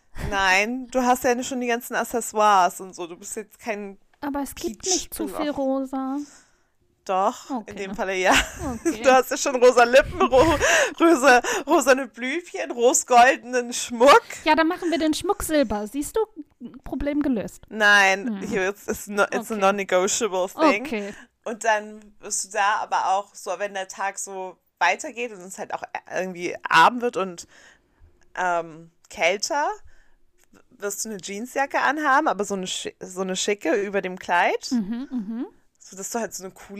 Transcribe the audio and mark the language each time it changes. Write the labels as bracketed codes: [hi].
[de] Nein, du hast ja schon die ganzen Accessoires und so, du bist jetzt kein Aber es gibt Peach nicht zu so viel rosa. Doch, okay. In dem Falle ja. Okay. Du hast ja schon rosa Lippen, rosane Blümchen, rosgoldenen Schmuck. Ja, dann machen wir den Schmuck silber. Siehst du? Problem gelöst. Nein, [en] it's a non-negotiable thing. [de] Okay. Und dann wirst du da aber auch so, wenn der Tag so weitergeht und es halt auch irgendwie Abend wird und kälter, wirst du eine Jeansjacke anhaben, aber so eine schicke über dem Kleid. Mhm. Dass du halt so eine coole Farbe